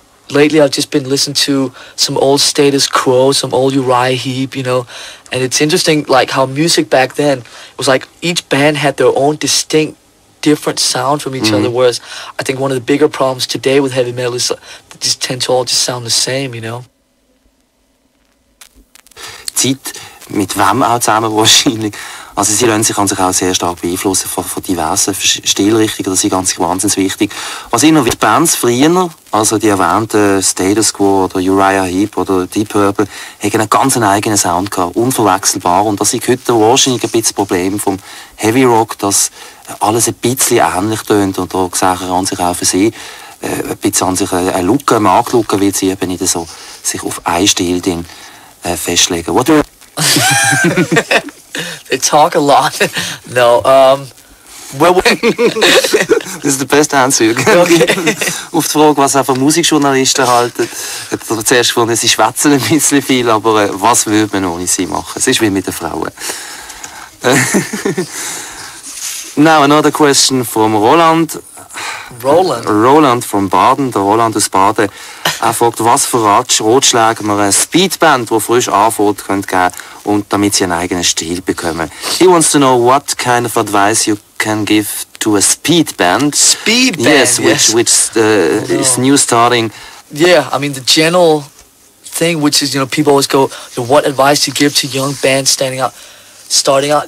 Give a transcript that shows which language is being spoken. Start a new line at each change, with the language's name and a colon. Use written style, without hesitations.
English: Lately, I've just been listening to some old Status Quo, some old Uriah Heep, you know. And it's interesting, like, how music back then, it was like each band had their own distinct, different sound from each other. Whereas I think one of the bigger problems today with heavy metal is they just tend to all just sound the same, you know.
German: Zeit mit wem auch zusammen wahrscheinlich. Also sie lassen sich an sich auch sehr stark beeinflussen von diversen Stilrichtungen, das ist ganz wahnsinnig wichtig. Was immer wie die Bands früher, also die erwähnten Status Quo oder Uriah Heep oder Deep Purple, haben einen ganz eigenen Sound gehabt, unverwechselbar. Und das ist heute wahrscheinlich ein bisschen das Problem vom Heavy Rock, dass alles ein bisschen ähnlich tönt und da sagen an sich auch für sie ein bisschen an sich eine Lücke, eine Marktlücke, weil sie eben nicht so sich auf einen Stil festlegen.
English: What do you- They talk a lot. No. This is the best answer you can give.
German: Auf die Frage, was auch von Musikjournalisten halten, hat er zuerst gefunden, sie schwätzen ein bisschen viel, aber was würde man ohne sie machen? Es ist wie mit den Frauen.
English: Now another question from Roland. Roland? Roland from Baden,
German: der Roland aus Baden. Er fragt, was für Ratschläge man eine Speedband, die frisch anfängt, könnte geben, und damit sie einen eigenen Stil bekommen.
English: He wants to know what kind of advice you can give to a Speedband. Speedband? Yes, which is new starting. Yeah, I mean, the general thing, which is, you know, people always go, what advice do you give to young bands starting out?